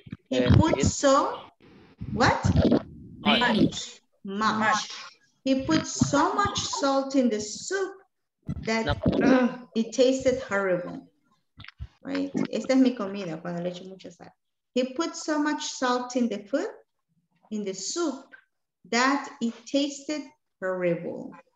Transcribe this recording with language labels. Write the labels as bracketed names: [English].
[English] He put so, what? Much. He put so much salt in the soup that it tasted horrible. Right? [Spanish] Esta es mi comida cuando le echo mucha sal. [English] He put so much salt in the food, in the soup, that it tasted horrible.